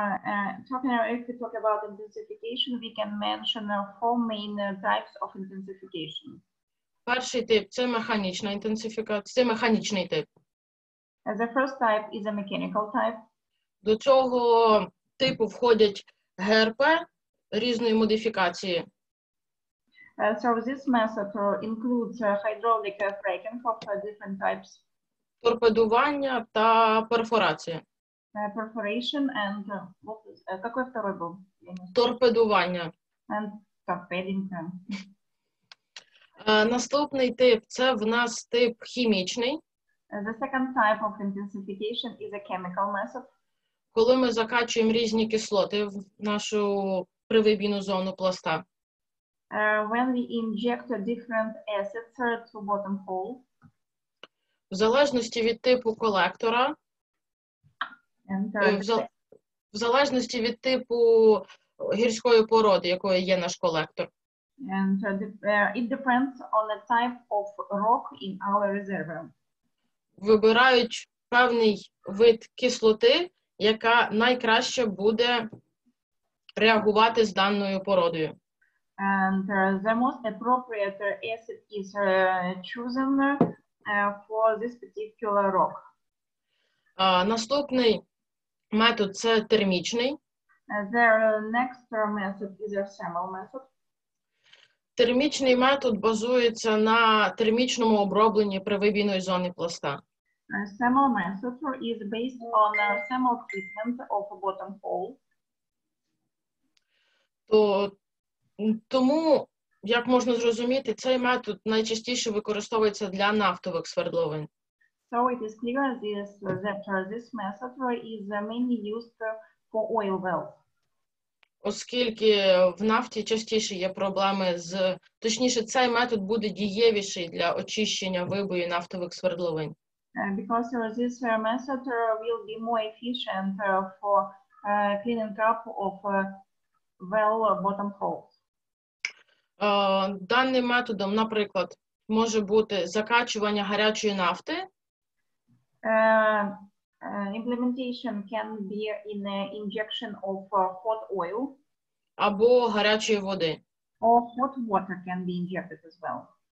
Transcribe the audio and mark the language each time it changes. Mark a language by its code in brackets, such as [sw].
[en] If we talk about intensification, we can mention 4 main types of intensification. [uk] Перший тип – це механічна інтенсифікація, це механічний тип. [en] The first type is a mechanical type. [uk] До цього типу входять ГРП різної модифікації. [en] So this method includes hydraulic fracking of different types. [uk] Торпедування та перфорація. [en] Perforation and [ru] какой второй был? [uk] Торпедування. [en] And torpedoing. [uk] Наступний тип – це в нас тип хімічний. [en] The second type of intensification is a chemical method. [uk] Коли ми закачуємо різні кислоти в нашу привибійну зону пласта. [en] When we inject different acids to bottom hole. [uk] В залежності від типу колектора. В залежності від типу гірської породи, якою є наш колектор. [en] It depends on the type of rock in our reservoir. [uk] Вибирають певний вид кислоти, яка найкраще буде реагувати з даною породою. [en] And the most appropriate acid is chosen for this particular rock. [uk] Наступний метод – це термічний. [en] The next method is a thermal method. [uk] Термічний метод базується на термічному обробленні привибійної зони пласта. [en] A thermal method is based on a thermal treatment of a bottom hole. [uk] Тому, як можна зрозуміти, цей метод найчастіше використовується для нафтових свердловин. [en] So it is clear that this method is mainly used for oil wells. [uk] Оскільки в нафті частіше є проблеми з... Точніше, цей метод буде дієвіший для очищення вибою нафтових свердловин. [en] Because this method will be more efficient for cleaning up of well bottom holes. [uk] Даним методом, наприклад, може бути закачування гарячої нафти. [en] Implementation can be in injection of hot oil. [uk] Або гарячої води. [en] Or hot water can be injected as well.